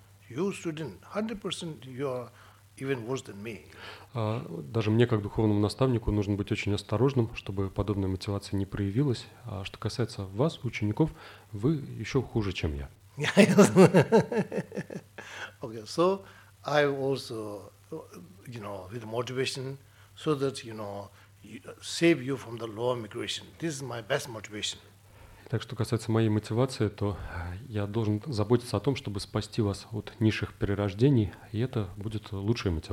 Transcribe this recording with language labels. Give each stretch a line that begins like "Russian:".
English: You student, 100% you are even worse than me.
Russian: Даже мне, как духовному наставнику, нужно быть очень осторожным, чтобы подобная мотивация не проявилась. А что касается вас, учеников, вы еще хуже, чем я.
English: Okay, so I also, you know, with motivation, so that, you know, save you from the lower migration. This is my best motivation.
Russian: Так, что касается моей мотивации, то я должен заботиться о том, чтобы спасти вас от низших перерождений, и это будет лучшая